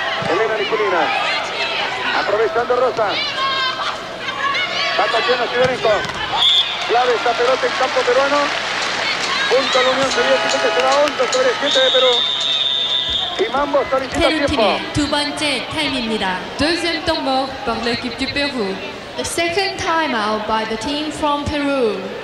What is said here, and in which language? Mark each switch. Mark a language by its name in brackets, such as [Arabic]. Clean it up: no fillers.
[Spanish] Elena Nikulina. Aprovechando Rosa. Tatiana Sidorenko. clave esta pelota en campo peruano. Punto a la Unión Soviética que será 11 sobre 7 de Perú. [Korean] Peru 팀의 두 번째 타임입니다. [English] 2nd time out for the team from Peru. The second time out by the team from Peru.